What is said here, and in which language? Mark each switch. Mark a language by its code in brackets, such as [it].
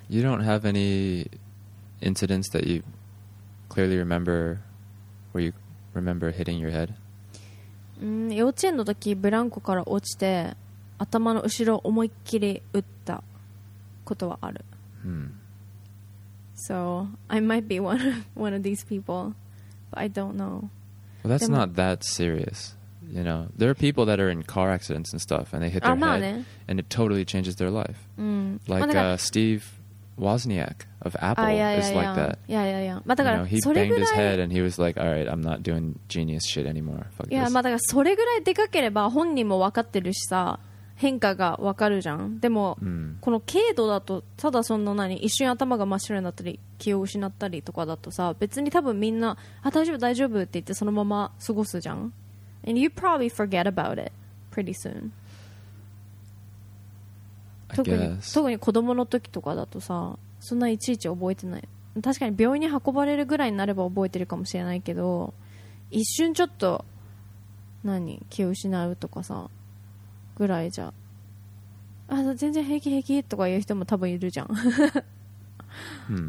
[en] You don't have any incidents that you clearly remember where you remember hitting your head? [ja] 幼稚園の時ブランコから落ちて頭の後ろを思いっきり打ったことはある。 [en] So I might be one of these people, but I don't know. Well, that's not that serious, you know. There are people that are in car accidents and stuff, and they hit their head, and it totally changes their life. Like Steve Wozniak of Apple is like that. He banged his head and he was like, "All right, I'm not doing genius shit anymore." Fuck this. [ja] Yeah, まあだからそれぐらいでかければ本人も分かってるしさ。変化が分かるじゃん。でも、この軽度だとただそんな何一瞬頭が真っ白になったり気を失ったりとかだとさ別に多分みんなあ大丈夫大丈夫って言ってそのまま過ごすじゃん。 [en] And you probably forget about it pretty soon. I guess. [ja] 特に子供の時とかだとさそんないちいち覚えてない。確かに病院に運ばれるぐらいになれば覚えてるかもしれないけど一瞬ちょっと何気を失うとかさぐらいじゃ、あ、全然平気平気とか言う人も多分いるじゃん。